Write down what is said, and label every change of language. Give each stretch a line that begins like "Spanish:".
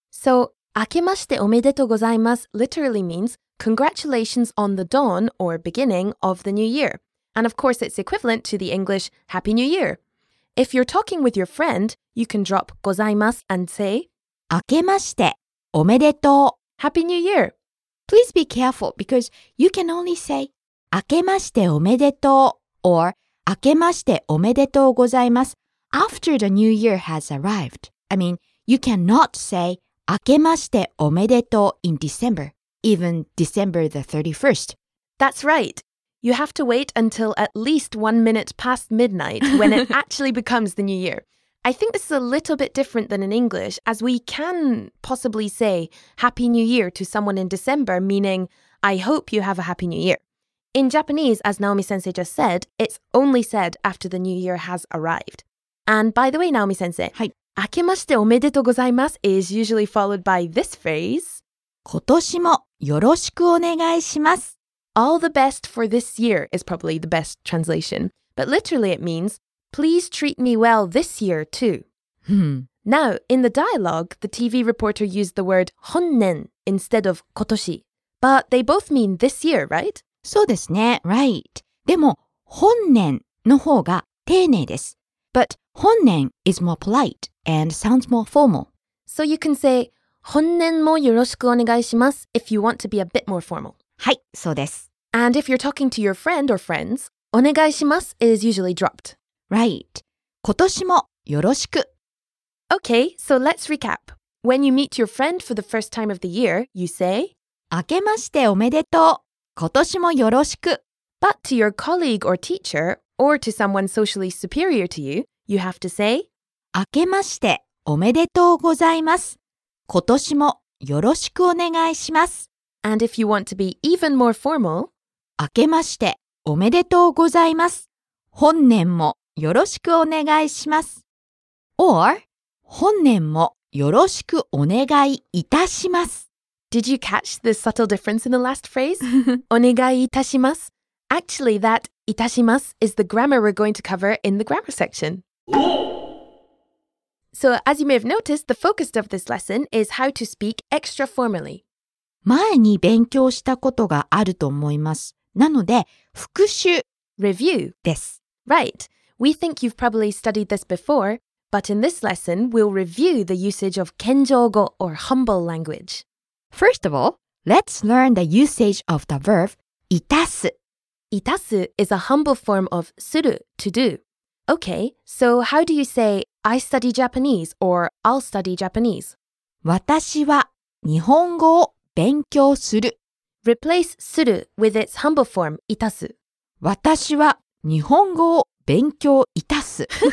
English: So,
Japanese: 明けましておめでとうございます
English: literally means congratulations on the dawn or beginning of the new year. And of course, it's equivalent to the English Happy New Year. If you're talking with your friend, you can drop ございますand say
Japanese: 明けましておめでとう
English: Happy New Year. Please be careful because you can only say,
Japanese: 明けましておめでとう
English: or
Japanese: 明けましておめでとうございます
English: after the new year has arrived. I mean, you cannot say
Japanese: 明けましておめでとう
English: in December, even December the 31st. That's right. You have to wait until at least 1 minute past midnight when it actually becomes the new year. I think this is a little bit different than in English, as we can possibly say Happy New Year to someone in December, meaning I hope you have a Happy New Year. In Japanese, as Naomi-sensei just said, it's only said after the new year has arrived. And by the way, Naomi-sensei,
Japanese: はい。明けましておめでとうございます
English: is usually followed by this phrase.
Japanese: 今年もよろしくお願いします。
English: All the best for this year is probably the best translation. But literally it means, please treat me well this year too. Now, in the dialogue, the TV reporter used the word 本年 instead of 今年. But they both mean this year, right?
Japanese: そうですね、
English: right.
Japanese: でも、本年の方が丁寧です。
English: But 本年 is more polite and sounds more formal. So you can say
Japanese: 本年もよろしくお願いします
English: if you want to be a bit more formal.
Japanese: はい、そうです。
English: And if you're talking to your friend or friends,
Japanese: お願いします
English: is usually dropped. Right.
Japanese: 今年もよろしく。
English: Okay, so let's recap. When you meet your friend for the first time of the year, you say
Japanese: 明けましておめでとう。今年もよろしく。
English: But to your colleague or teacher, or to someone socially superior to you, you have to say
Japanese: 明けましておめでとうございます。今年もよろしくお願いします。 And if you want to be even more formal, 明けましておめでとうございます。本年もよろしくお願いします。 Or 本年もよろしくお願いいたします。
English: Did you catch the subtle difference in the last phrase?
Japanese: お願いいたします。
English: Actually, that いたします is the grammar we're going to cover in the grammar section. So, as you may have noticed, the focus of this lesson is how to speak extra formally.
Japanese: 前に勉強したことがあると思います。なので、復習
English: Review
Japanese: です。
English: Right. We think you've probably studied this before, but in this lesson, we'll review the usage of 謙譲語 or humble language. First of all, let's learn the usage of the verb いたす。いたす is a humble form of する, to do. Okay, so how do you say I study Japanese or I'll study Japanese?
Japanese: 私は日本語を勉強する。 Replace する with its humble form いたす。私は日本語を勉強いたす。